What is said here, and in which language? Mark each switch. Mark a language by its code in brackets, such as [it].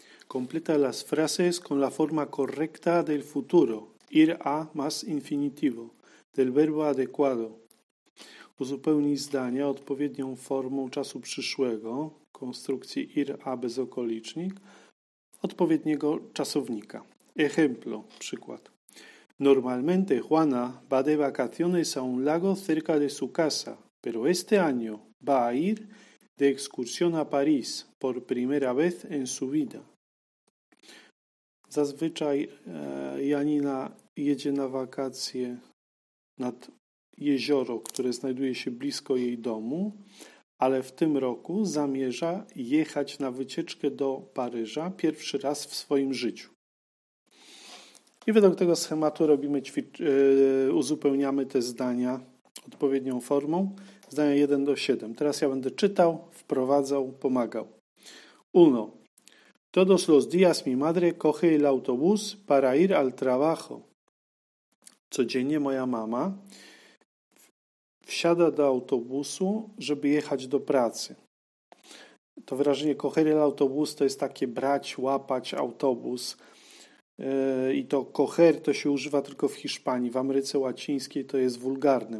[es] Completa las frases con la forma correcta del futuro, ir a más infinitivo, del verbo adecuado. [pl] Uzupełnij zdania odpowiednią formą czasu przyszłego, konstrukcji ir a bez okolicznik, odpowiedniego czasownika. [es] Ejemplo, [pl] przykład. [es] Normalmente Juana va de vacaciones a un lago cerca de su casa, pero este año va a ir de excursión a París por primera vez en su vida. [pl] Zazwyczaj Janina jedzie na wakacje nad jezioro, które znajduje się blisko jej domu, ale w tym roku zamierza jechać na wycieczkę do Paryża pierwszy raz w swoim życiu. I według tego schematu robimy uzupełniamy te zdania odpowiednią formą. Zdania 1 do 7. Teraz ja będę czytał, wprowadzał, pomagał. 1. [es] Todos los días mi madre coge el autobús para ir al trabajo. [pl] Codziennie moja mama wsiada do autobusu, żeby jechać do pracy. To wyrażenie [es] coger el autobús [pl] to jest takie brać, łapać autobus. I to coger to się używa tylko w Hiszpanii. W Ameryce Łacińskiej to jest wulgarne.